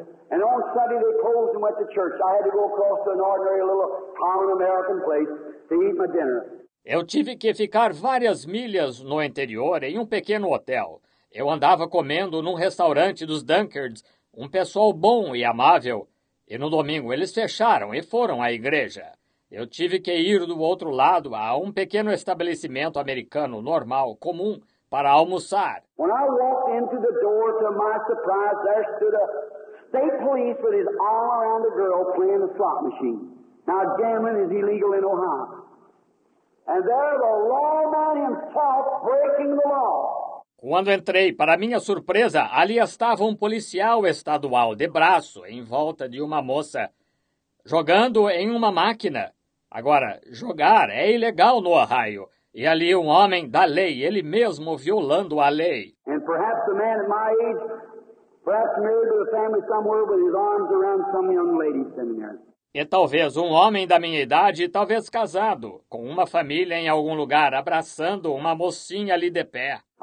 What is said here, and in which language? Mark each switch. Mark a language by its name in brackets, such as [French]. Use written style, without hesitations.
[English] And on Sunday they closed and went to church. I had to go across to an ordinary little common American place to eat my dinner. [Portuguese] Eu tive que ficar várias milhas no interior em um pequeno hotel. Eu andava comendo num restaurante dos Dunkards, um pessoal bom e amável. E no domingo eles fecharam e foram à igreja. Eu tive que ir do outro lado a um pequeno estabelecimento americano normal, comum, para almoçar. [English] When I walked into the door, to my surprise, there stood a state police with his arm around the girl playing the slot machine. Now, gambling is illegal in Ohio. And there the lawman himself breaking the law. [Portuguese] Quando entrei, para minha surpresa, ali estava um policial estadual de braço em volta de uma moça, jogando em uma máquina. Agora, jogar é ilegal no Ohio, e ali um homem da lei, ele mesmo violando a lei. [English] And perhaps a man at my age, perhaps married to a family somewhere with his arms around some young lady sitting there. [Portuguese] E talvez um homem da minha idade, talvez casado, com uma família em algum lugar, abraçando uma mocinha ali de pé.